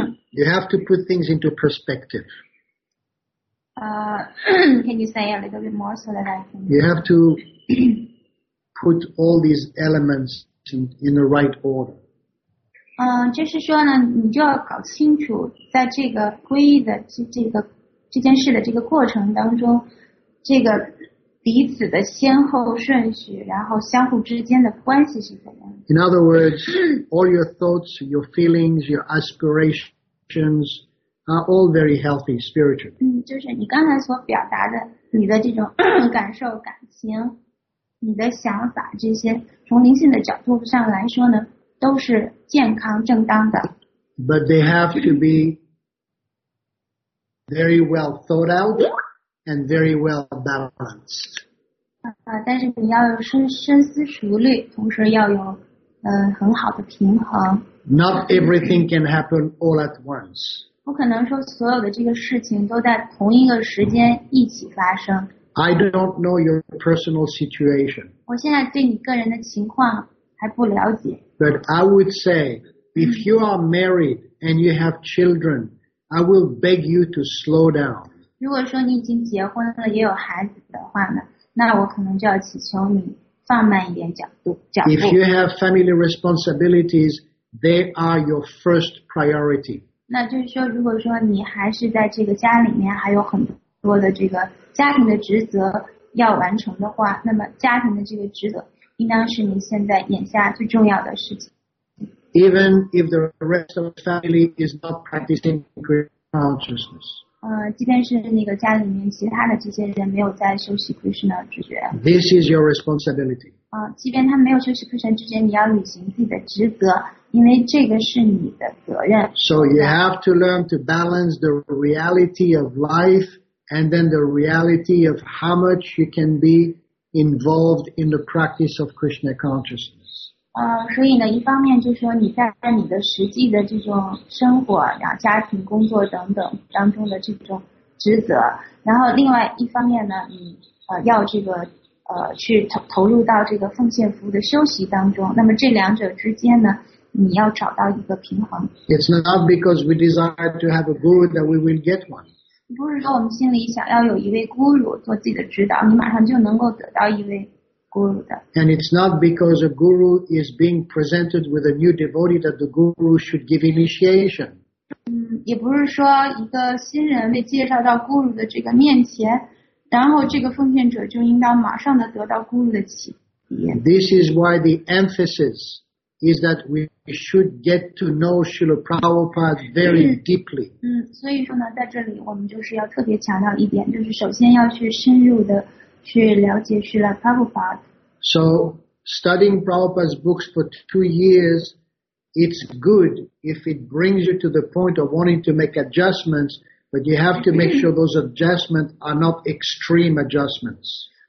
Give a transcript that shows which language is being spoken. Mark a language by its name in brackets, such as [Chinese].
[English] You have to put things into perspective. Can you say a little bit more so that I can... You have to put all these elements in the right order. [Chinese] 就是说呢，你就要搞清楚在这个皈依的这件事的这个过程当中，这个彼此的先后顺序，然后相互之间的关系是怎样。 [English] In other words, all your thoughts, your feelings, your aspirations,are all very healthy spiritually. [Chinese] 就是你刚才所表达的你的这种感受感情你的想法这些从灵性的角度上来说呢都是健康正当的。 [English] But they have to be very well thought out and very well balanced. [Chinese] 但是你要有深思熟虑同时要有很好的平衡。 [English] Not everything can happen all at once. [Chinese] 不可能说所有的这个事情都在同一个时间一起发生。 [English] I don't know your personal situation. [Chinese] 我现在对你个人的情况还不了解。 [English] But I would say, if you are married and you have children, I will beg you to slow down. [Chinese] 如果说你已经结婚了也有孩子的话呢，那我可能就要祈求你放慢一点脚步。 [English] If you have family responsibilities, they are your first priority. [Chinese] 那就是说，如果说你还是在这个家里面还有很多的这个家庭的职责要完成的话，那么家庭的这个职责应当是你现在眼下最重要的事情。 [English] Even if the rest of the family is not practicing consciousness， [Chinese] 即便是那个家里面其他的这些人没有在修习 Krishna 知觉 [English] ，This is your responsibility。 [Chinese] 即便他没有修习 Krishna 知觉，你要履行自己的职责。因为这个是你的责任。 [English] So you have to learn to balance the reality of life and then the reality of how much you can be involved in the practice of Krishna consciousness. [Chinese] 所以呢，一方面就是说你在你的实际的这种生活、然后家庭、工作等等当中的这种职责，然后另外一方面呢，你要这个去投入到这个奉献服务的修习当中。那么这两者之间呢？你要找到一个平衡。 [English] It's not because we desire to have a guru that we will get one. [Chinese] 不是说我们心里想要有一位 guru 做自己的指导，你马上就能够得到一位 guru 的。 [English] And it's not because a guru is being presented with a new devotee that the guru should give initiation. [Chinese] 也不是说一个新人被介绍到雇主的这个面前，然后这个奉献者就应当马上的得到雇主的启迪。 [English] This is why the emphasis is that we should get to know Srila Prabhupada very deeply. [Chinese] 所以说呢，在这里我们就是要特别强调一点，就是首先要去深入的去了解 Srila Prabhupada。 [English] So studying Prabhupada's books for 2 years, it's good if it brings you to the point of wanting to make adjustments, but you have to make sure those adjustments are not extreme adjustments.